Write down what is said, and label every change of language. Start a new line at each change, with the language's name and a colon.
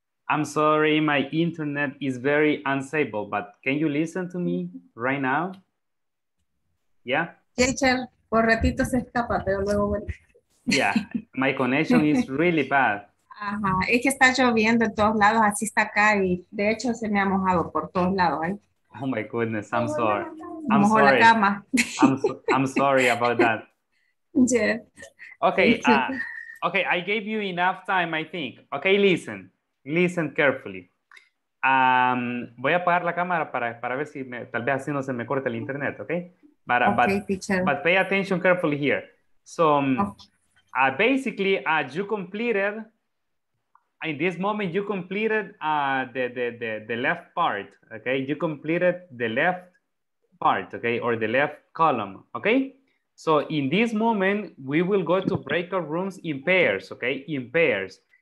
English: I'm sorry, my internet is very unstable, but can you listen to me right now? Yeah?
Spanish: Teacher, por ratito se escapa, pero luego vuelve.
English: Yeah, my connection is really bad.
Spanish: Ajá, es que está lloviendo en todos lados, así está acá, y de hecho se me ha mojado por todos lados. ¿Eh?
English: Oh my goodness, I'm sorry. I'm sorry.
Spanish: La cama.
English: I'm sorry about that. Yeah. Okay, I gave you enough time, I think. Okay, listen carefully.
Spanish: Voy a apagar la cámara para ver si me, tal vez así no se me corta el internet, okay?
English: But pay attention carefully here. So, okay. Basically, you completed, in this moment, you completed the left part, okay? You completed the left part, okay? Or the left column, okay? So in this moment, we will go to breakout rooms in pairs, okay? In pairs.